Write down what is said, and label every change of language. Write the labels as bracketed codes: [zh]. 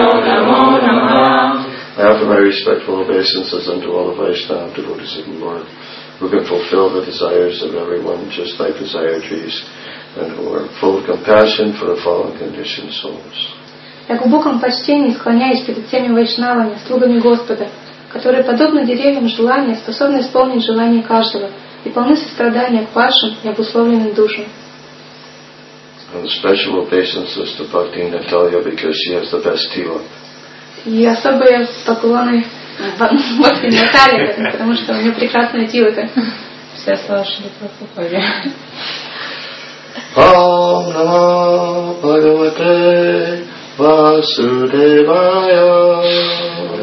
[en] I offer my respectful obeisances unto all the Vaishnava devotees of the Lord who can fulfill the desires of everyone just like desire trees and who are full of compassion for the fallen conditioned souls. [ru] Я глубоком почтении склоняюсь перед всеми вайшнавами, слугами Господа, которые подобны деревьям желания, способны исполнить желание каждого и полны сострадания к вашим необусловленным душам. [en] And special obeisances to Bhakti Natalia because she has the best tila. [ru] И особые поклоны Бхакти Натали, потому что у нее прекрасная тила. Вся слава Прабхупаде. [sa] Ом намо Бхагавате Васудевая.